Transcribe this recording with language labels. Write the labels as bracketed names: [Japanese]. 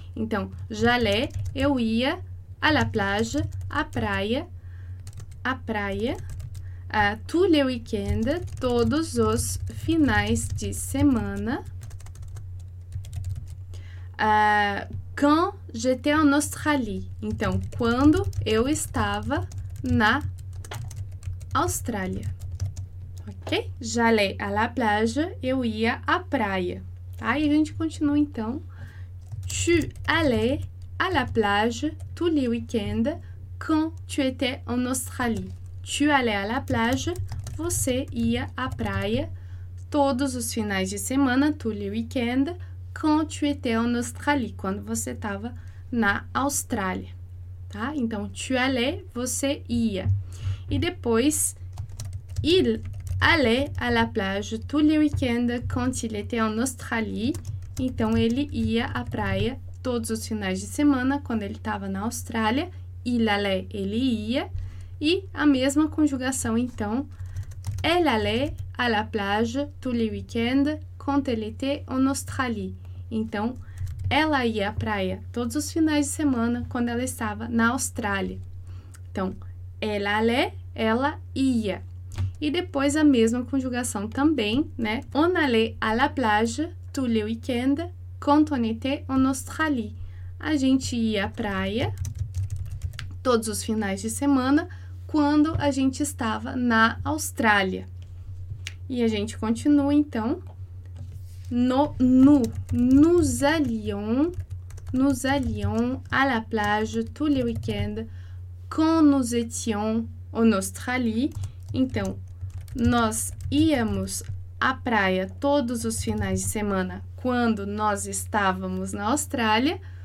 [Portuguese] Então, [French] j'allais, [Portuguese] eu ia [French] à la plage, [Portuguese] à praia. [French] Tous les week-ends, [Portuguese] todos os finais de semana. [French] Quand j'étais en Australie. [Portuguese] Então, quando eu estava na Austrália. Ok? [French] J'allais à la plage, [Portuguese] eu ia à praia. Tá? E a gente continua então. [French] Tu allais à la plage tous les week-ends quand tu étais en Australie. Tu allais à la plage, [Portuguese] você ia à praia todos os finais de semana, [French] tous les week-ends, quand tu étais en Australie, [Portuguese] quando você estava na Austrália, tá? Então, [French] tu allais, [Portuguese] você ia. E depois, [French] il allait à la plage tous les week-ends quand il était en Australie. [Portuguese] Então, ele ia à praia todos os finais de semana, quando ele estava na Austrália. [French] Il allait, [Portuguese] ele ia. E a mesma conjugação, então. [French] Elle allait à la plage tous les week-ends quand elle était en Australie. [Portuguese] Então, ela ia à praia todos os finais de semana quando ela estava na Austrália. Então, [French] elle allait, [Portuguese] ela ia. E depois a mesma conjugação também, né? [French] On allait à la plage tous les week-ends quand on était en Australie. [Portuguese] A gente ia à praia todos os finais de semana quando a gente estava na Austrália. E a gente continua então. [French] No, nous. Nous allions à la plage tous les week-ends quand nous étions en Australie. [Portuguese] Então, nós íamos à praia todos os finais de semana quando nós estávamos na Austrália.